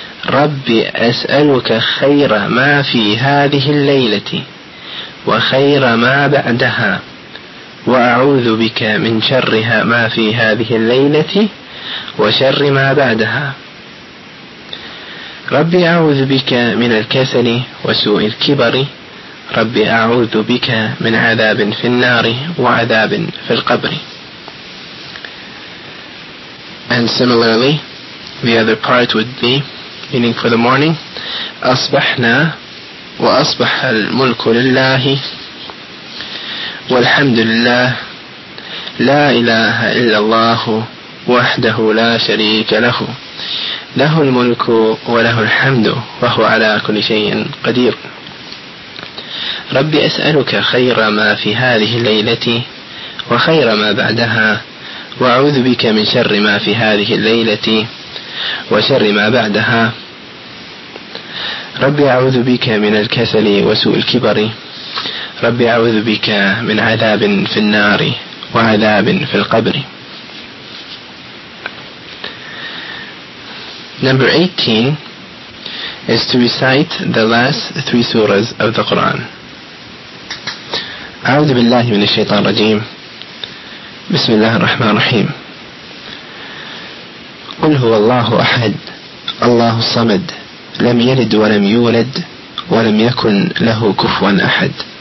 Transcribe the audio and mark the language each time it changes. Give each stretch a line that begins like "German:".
Arabic: ربي أسألك خير ما في هذه الليلة وخير ما بعدها، وأعوذ بك من شر ما في هذه الليلة وشر ما بعدها. ربي أعوذ بك من الكسل وسوء الكبر. ربي أعوذ بك من عذاب في النار وعذاب في القبر.
English: And similarly, the other part would be, meaning for the morning,
Arabic: أصبحنا وأصبح الملك لله والحمد لله. لا إله إلا الله وحده لا شريك له. له الملك وله الحمد وهو على كل شيء قدير. ربي أسألك خير ما في هذه الليلة وخير ما بعدها، وأعوذ بك من شر ما في هذه الليلة وشر ما بعدها. ربي أعوذ بك من الكسل وسوء الكبر. ربي أعوذ بك من عذاب في النار وعذاب في القبر.
English: Number 18 is to recite the last three surahs of the Quran.
Arabic: أعوذ بالله من الشيطان الرجيم. بسم الله الرحمن الرحيم. قل هو الله أحد، الله الصمد، لم يلد ولم يولد ولم يكن له كفوا أحد.